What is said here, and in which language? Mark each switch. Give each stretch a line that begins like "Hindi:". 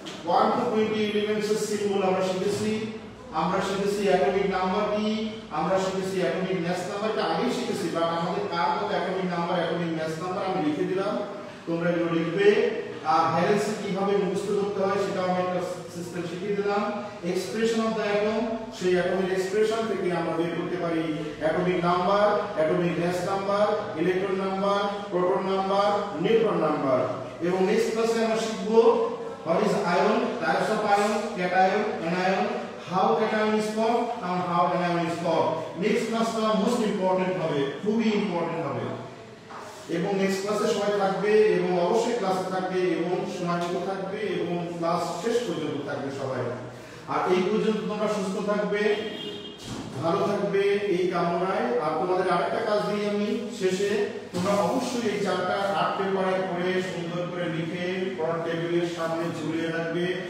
Bangla: 120 elements এর symbol আমরা শিখেছি, আমরা শিখেছি অ্যাটমিক নাম্বার কি, আমরা শিখেছি অ্যাটমিক ম্যাস নাম্বারটা আমি শিখেছি, বাট আমাদের কার মতো atomic number atomic mass number আমি লিখে দিলাম, তোমরা এগুলো লিখবে। আর ভ্যালেন্সি কিভাবে মুখস্থ করতে হয় সেটা আমি একটা সিস্টেম শিখিয়ে দিলাম। এক্সপ্রেশন অফ দ্য অ্যাটম, সেই অ্যাটমের এক্সপ্রেশন থেকে আমরা বের করতে পারি atomic number, atomic mass number, electron number, proton number, neutron number. এবং নেক্সট ক্লাসে আমরা শিখব
English: what is ion, types of ion, cation, anion, how cation is formed and how anion is formed.
Bangla: Next class টা most important হবে, খুবই important হবে। এবং next class এ সময় থাকবে এবং অবশ্যই class থাকবে এবং সময় থাকবে এবং class শেষ পর্যন্ত থাকবে সবাই। আর এই পর্যন্ত তোমরা সুস্থ থাকবে, ভালো থাকবে এই কামনায়। আর তোমাদের আরেকটা কাজ দিই আমি শেষে, তোমরা অবশ্যই এই চারটা আর্ট পেপারে পড়ে সুন্দর করে লিখে ফ্রন্ট টেবিলের সামনে ঝুলিয়ে রাখবে।